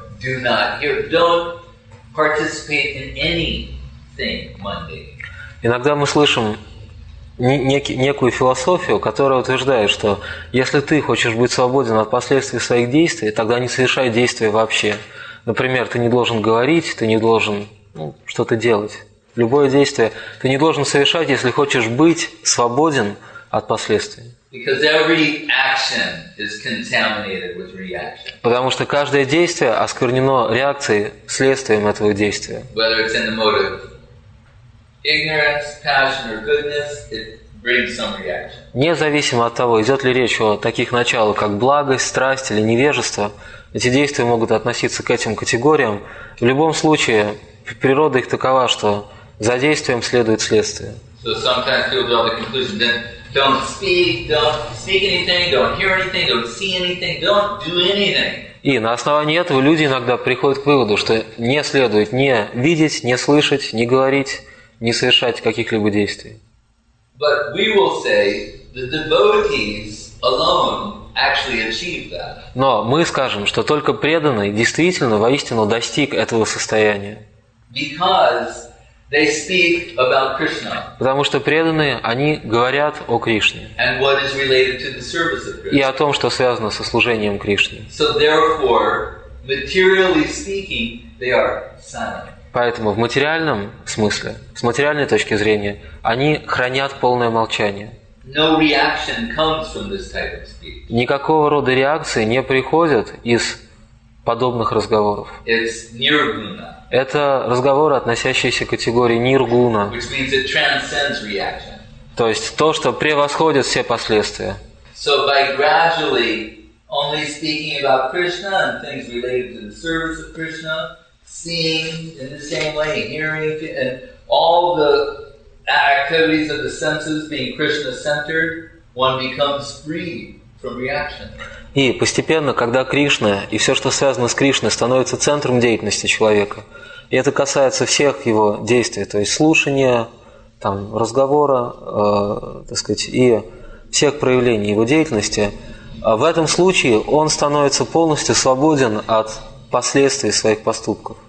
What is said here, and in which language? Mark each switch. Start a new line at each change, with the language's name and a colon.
English: Do not hear, don't participate in anything mundane.
Russian: Иногда мы слышим некую философию, которая утверждает, что если ты хочешь быть свободен от последствий своих действий, тогда не совершай действия вообще. Например, ты не должен говорить, ты не должен что-то делать. Любое действие ты не должен совершать, если хочешь быть свободен от последствий.
English: Because every action is contaminated with reaction.
Russian: Потому что каждое действие осквернено реакцией, следствием этого действия.
English: Whether it's in the motive ignorance, passion or goodness, it brings some reaction.
Russian: Независимо от того, идет ли речь о таких началах, как благость, страсть или невежество, эти действия могут относиться к этим категориям. В любом случае, природа их такова, что за действием следует следствие.
English: So sometimes people draw the conclusion that Don't speak anything, don't hear anything, don't see anything, don't do anything.
Russian: И на основании этого люди иногда приходят к выводу, что не следует ни видеть, ни слышать, ни говорить, ни совершать каких-либо действий.
English: But we will say the devotees alone actually achieve that.
Russian: Но мы скажем, что только преданный действительно воистину достиг этого состояния.
English: Because they speak about Krishna.
Russian: Потому что преданные, они говорят о Кришне.
English: And what is related to the service of Krishna.
Russian: И о том, что связано со служением Кришне.
English: So therefore, materially speaking, they are silent.
Russian: Поэтому в материальном смысле, с материальной точки зрения, они хранят полное молчание.
English: No reaction comes from this type of speech.
Russian: Никакого рода реакции не приходят из подобных разговоров.
English: It's nirguna.
Russian: Это разговоры, относящиеся к категории ниргуна.
English: Which means it transcends reaction.
Russian: То есть то, что превосходит все последствия.
English: So by gradually only speaking about Krishna and things related to the service of Krishna, seeing in the same way, hearing and all the activities of the senses being Krishna-centered, one becomes free from reaction.
Russian: И постепенно, когда Кришна и все, что связано с Кришной, становится центром деятельности человека, и это касается всех его действий, то есть слушания, там, разговора, и всех проявлений его деятельности, в этом случае он становится полностью свободен от последствий своих поступков.